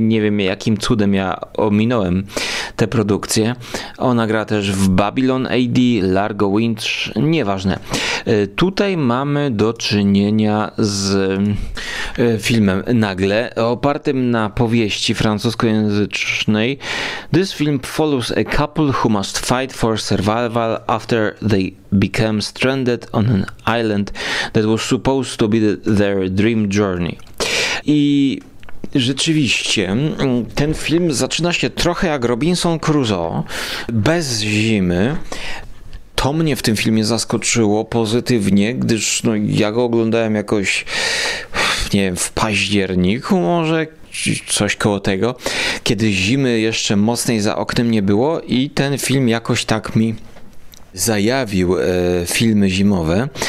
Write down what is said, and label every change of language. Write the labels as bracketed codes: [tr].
[pl] Nie wiem, jakim cudem ja ominąłem tę produkcję. Ona gra też w Babylon AD, Largo Winch, nieważne. Tutaj mamy do czynienia z filmem Nagle, opartym na powieści francuskojęzycznej. [en] This film follows a couple who must fight for survival after they became stranded on an island that was supposed to be their dream journey. [pl] I rzeczywiście, ten film zaczyna się trochę jak Robinson Crusoe, bez zimy. To mnie w tym filmie zaskoczyło pozytywnie, gdyż no, ja go oglądałem jakoś, nie wiem, w październiku może, coś koło tego, kiedy zimy jeszcze mocnej za oknem nie było i ten film jakoś tak mi zajawił filmy zimowe.